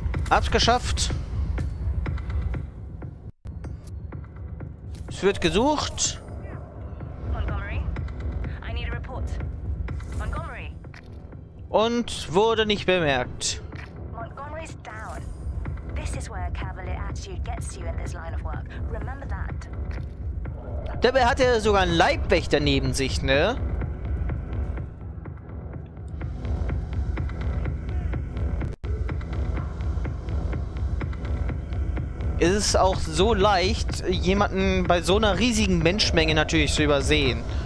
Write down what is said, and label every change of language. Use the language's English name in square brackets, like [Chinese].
[German] Hab's geschafft. Es wird gesucht. [English] Montgomery. I need a report. Montgomery. [German] Und wurde nicht bemerkt. [English] Montgomery's down. This is where a cavalier attitude gets you in this line of work. Remember that. [German] Dabei hat er sogar einen Leibwächter neben sich, ne? Es ist auch so leicht, jemanden bei so einer riesigen Menschenmenge natürlich zu übersehen.